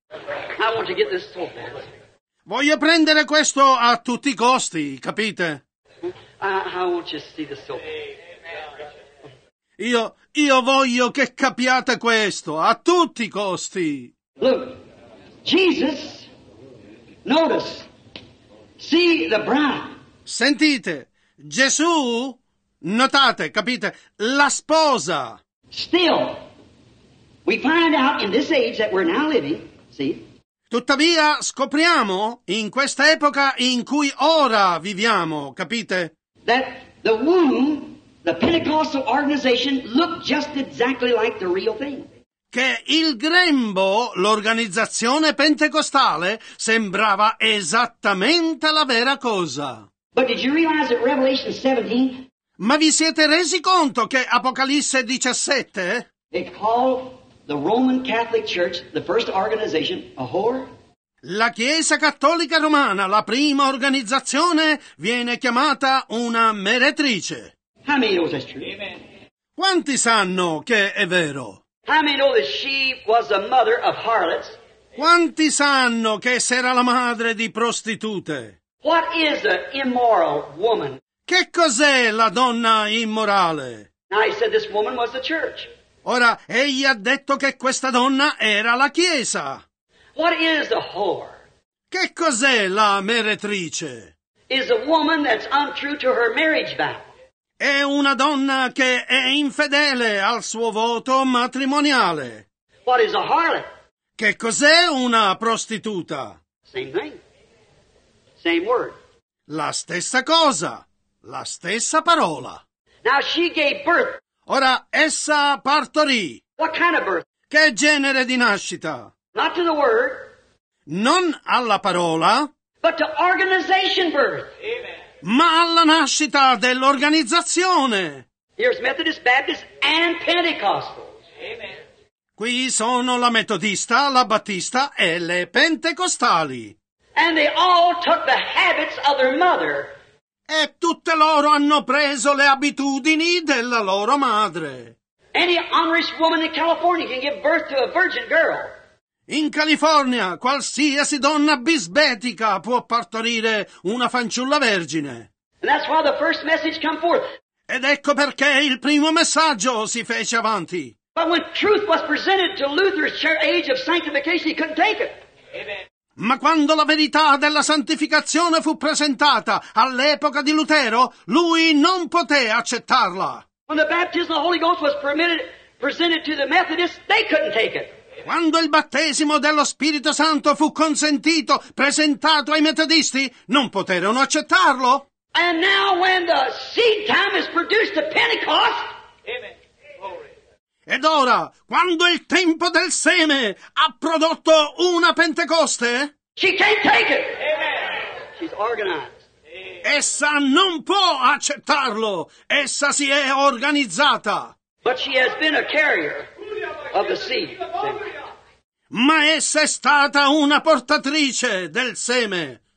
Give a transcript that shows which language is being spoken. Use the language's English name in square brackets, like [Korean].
[English] I want to get this so fast. [Italian] Voglio prendere questo a tutti i costi, capite? [English] I want you to see this so fast. [Italian] Io voglio che capiate questo a tutti i costi. [English] Look, Jesus, notice, see the bride. [Italian] Sentite, Gesù, notate, capite, la sposa. [English] Still, we find out in this age that we're now living, see? [Italian] Tuttavia, scopriamo in questa epoca in cui ora viviamo, capite? [English] That the womb. The Pentecostal organization looked just exactly like the real thing. [Italian] Che il grembo, l'organizzazione pentecostale, sembrava esattamente la vera cosa. [English] But did you realize that Revelation 17? [Italian] Ma vi siete resi conto che Apocalisse 17? [English] They called the Roman Catholic Church, the first organization, a whore? [Italian] La Chiesa Cattolica Romana, la prima organizzazione, viene chiamata una meretrice. [English] How many know that's true? [Italian] Amen. Quanti sanno che è vero? [English] How many know that she was the mother of harlots? [Italian] Quanti sanno che era la madre di prostitute? [English] What is an immoral woman? [Italian] Che cos'è la donna immorale? [English] I said this woman was the church. [Italian] Ora egli ha detto che questa donna era la chiesa. [English] What is a whore? [Italian] Che cos'è la meretrice? [English] Is a woman that's untrue to her marriage vow. [Italian] È una donna che è infedele al suo voto matrimoniale. [English] What is a harlot? [Italian] Che cos'è una prostituta? [English] Same thing. Same word. [Italian] La stessa cosa. La stessa parola. [English] Now she gave birth. [Italian] Ora essa partorì. [English] What kind of birth? [Italian] Che genere di nascita? [English] Not to the word. [Italian] Non alla parola. [English] But to organization birth. Amen. [Italian] Ma alla nascita dell'organizzazione. [English] Here's Methodist, Baptist and Pentecostals. Amen. [Italian] Qui sono la metodista, la battista e le pentecostali. [English] And they all took the habits of their mother. [Italian] E tutte loro hanno preso le abitudini della loro madre. [English] Any honest woman in California can give birth to a virgin girl. [Italian] In California, qualsiasi donna bisbetica può partorire una fanciulla vergine. [English] And that's why the first message came forth. [Italian] Ed ecco perché il primo messaggio si fece avanti. [English] But when truth was presented to Luther's age of sanctification, he couldn't take it. Amen. [Italian] Ma quando la verità della santificazione fu presentata all'epoca di Lutero, lui non poté accettarla. [English] When the baptism of the Holy Ghost was presented to the Methodists, they couldn't take it. [Italian] Quando il battesimo dello Spirito Santo fu consentito, presentato ai metodisti, non poterono accettarlo. [English] And now when the seed time is produced at Pentecost. Amen. [Italian] Ed ora, quando il tempo del seme ha prodotto una Pentecoste. [English] She can't take it. Amen. She's organized. [Italian] Essa non può accettarlo. Essa si è organizzata. [English] But she has been a carrier of the seed. [Italian] Ma essa è stata una portatrice del seme.